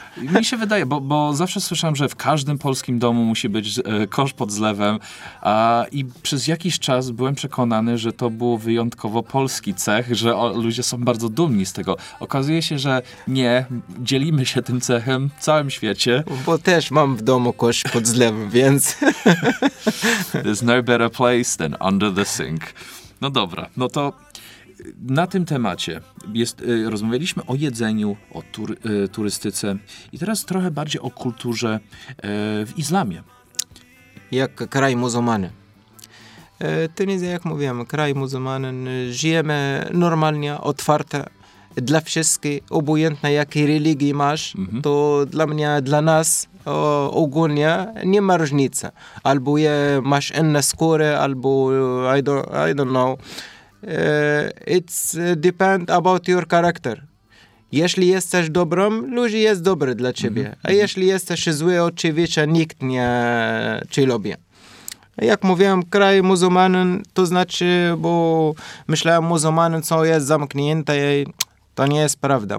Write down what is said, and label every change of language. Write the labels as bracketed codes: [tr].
[pl] Mi się wydaje, bo zawsze słyszałem, że w każdym polskim domu musi być kosz pod zlewem i przez jakiś czas byłem przekonany, że to było wyjątkowo polski cech, że ludzie są bardzo dumni z tego. Okazuje się, że nie, dzielimy się tym cechem w całym świecie. Bo też mam w domu kosz pod zlewem, więc... [en] There's no better place than under the sink. [pl] No dobra, no to... Na tym temacie rozmawialiśmy o jedzeniu, o turystyce i teraz trochę bardziej o kulturze w islamie. Jak kraj muzułmany. Tunezja, jak mówiłem, kraj muzułmany. Żyjemy normalnie, otwarte. dla wszystkich, obojętna jakiej religii masz, to dla mnie, dla nas ogólnie nie ma różnicy. Albo masz inne skóry, albo [en] I don't know. It's depend about your character. [pl] Jeśli jesteś dobrym, ludzie jest dobry dla ciebie. A jeśli jesteś zły, oczywiście nikt nie ci lubi. Jak mówiłem, kraj muzułmanin, to znaczy, bo myślałem, muzułmanin co jest zamknięte, to nie jest prawda.